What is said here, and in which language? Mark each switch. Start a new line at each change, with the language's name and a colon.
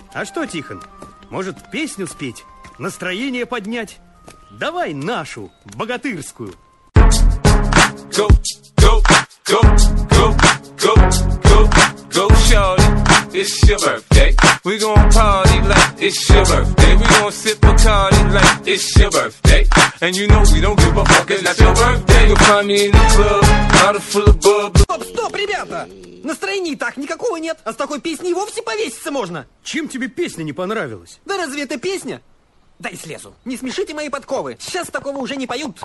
Russian: А что, Тихон, может, песню спеть? Настроение поднять? Давай нашу, богатырскую.
English: Go, go, go, go, go, go, go, shawty. It's your birthday. We gon' party like it's your birthday. We gon' sip a Bacardi like it's your birthday. And you know we don't give a fuck, it's not your birthday. You'll find me in the club, bottle full of bubbles.
Russian: Стоп, стоп, ребята! Настроения и так никакого нет. А с такой песней вовсе повеситься можно. Чем тебе песня не понравилась? Да разве это песня? Дай слезу. Не смешите мои подковы. Сейчас такого уже не поют.